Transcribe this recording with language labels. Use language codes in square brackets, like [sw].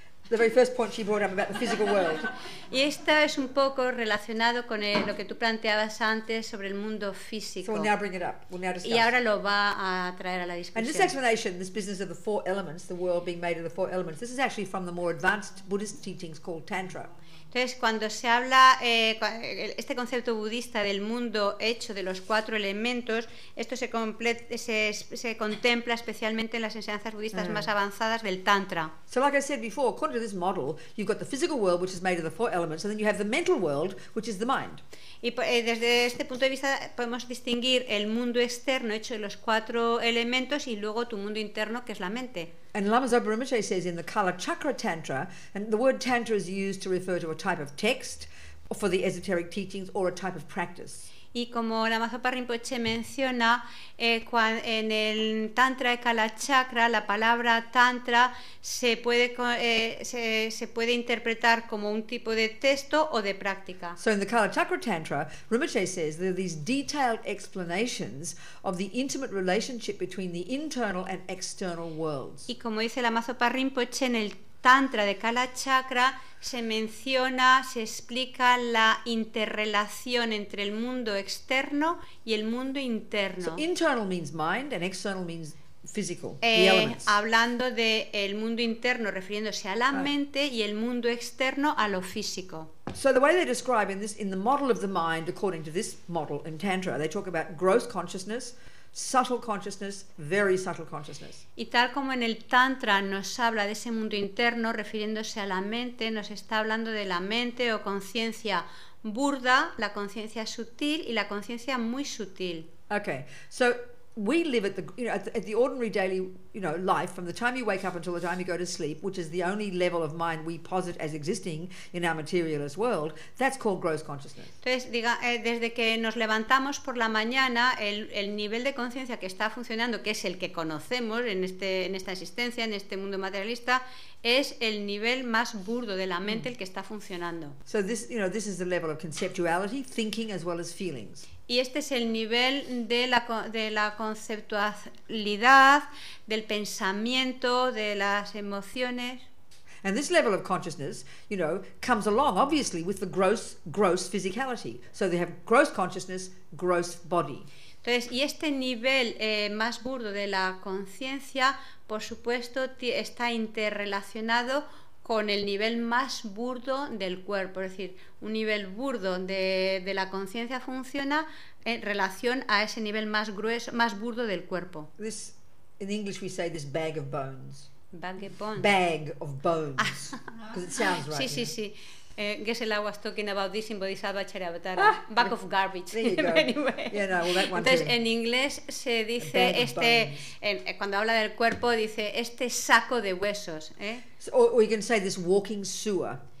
[en] The very first point she brought up about the physical world. [es] Y esta es un poco relacionado con lo que tú planteabas antes sobre el mundo físico. [en] So we'll now bring it up. We'll now discuss. [es] Y ahora lo va a traer a la discusión. [en] And this explanation, this business of the four elements, the world being made of the four elements, this is actually from the more advanced Buddhist teachings called Tantra. [es] Entonces, cuando se habla este concepto budista del mundo hecho de los cuatro elementos, esto se contempla especialmente en las enseñanzas budistas más avanzadas del Tantra. [en] So like I said before, according to this model, you've got the physical world which is made of the four elements, and then you have the mental world which is the mind. [es] Y desde este punto de vista podemos distinguir el mundo externo hecho de los cuatro elementos y luego tu mundo interno, que es la mente. [en] And Lama Zopa Rinpoche says in the Kala Chakra Tantra, and the word Tantra is used to refer to a type of text or for the esoteric teachings or a type of practice. [es] Y como Lama Zopa Rinpoche menciona, en el Tantra de Kala Chakra, la palabra Tantra se puede interpretar como un tipo de texto o de práctica. [en] So in the Kala Chakra Tantra, Rinpoche says there are these detailed explanations of the intimate relationship between the internal and external worlds. [es] Y como dice Lama Zopa Rinpoche, en el Tantra de Kala Chakra se menciona, se explica la interrelación entre el mundo externo y el mundo interno. [en] So internal means mind and external means physical, the elements. [es] Hablando de el mundo interno refiriéndose a la mente y el mundo externo a lo físico. [en] So the way they describe in this, in the model of the mind according to this model in Tantra, they talk about gross consciousness, subtle consciousness, very subtle consciousness. [es] Y tal como en el Tantra nos habla de ese mundo interno refiriéndose a la mente, nos está hablando de la mente o conciencia burda, la conciencia sutil y la conciencia muy sutil. [en] Okay. So we live at the, you know, at the ordinary daily, you know, life from the time you wake up until the time you go to sleep, which is the only level of mind we posit as existing in our materialist world. That's called gross consciousness. [es] Entonces, desde que nos levantamos por la mañana, el nivel de conciencia que está funcionando, que es el que conocemos en esta existencia, en este mundo materialista, es el nivel más burdo de la mente, el que está funcionando. [en] So this, you know, this is the level of conceptuality, thinking as well as feelings. [es] Y este es el nivel de la conceptualidad, del pensamiento, de las emociones. [en] And this level of consciousness, you know, comes along obviously with the gross physicality. So they have gross consciousness, gross body. [es] Entonces, y este nivel más burdo de la conciencia, por supuesto, está interrelacionado con el nivel más burdo del cuerpo, es decir, un nivel burdo de la conciencia funciona en relación a ese nivel más grueso, más burdo del cuerpo. [en] This, in English we say this bag of bones. Bag of bones. Bag of bones. Because it sounds right. [es] Sí, sí, sí. [en] Guess I was talking about this in Bodhisattva Charyavatara. Bag of garbage. There you go. Anyway. Yeah, no, well, that one [es] entonces, [en] too. [es] En inglés se dice este, cuando habla del cuerpo, dice este saco de huesos. [en] So, or you can say this walking sewer.